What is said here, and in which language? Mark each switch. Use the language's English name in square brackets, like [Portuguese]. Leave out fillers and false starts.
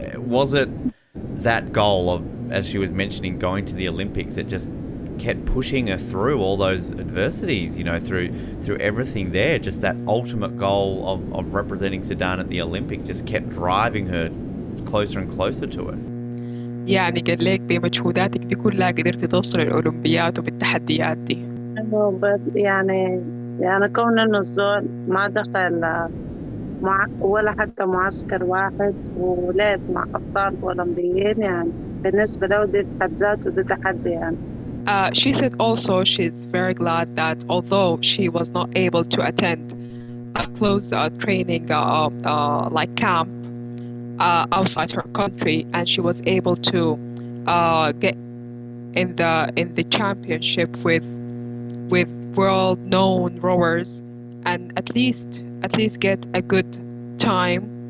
[English] Was it that goal of, as she was mentioning, going to the Olympics that just kept pushing her through all those adversities, you know, through everything there? Just that ultimate goal of representing Sudan at the Olympics just kept driving her closer and closer to it. [Arabic] يعني قال لك بمجهوداتك دي كلها قدرت توصل الأولمبيات وبالتحديات دي. يعني كون إنه الزول ما دخل ولا حتى معسكر واحد ولعب مع أبطال أولمبيين، يعني بالنسبة له دي بحد ذاته دي تحدي يعني. [English] She said also she's very glad that although she was not able to attend a close training like camp outside her country, and she was able to get in the championship with world known rowers, and at least get a good time.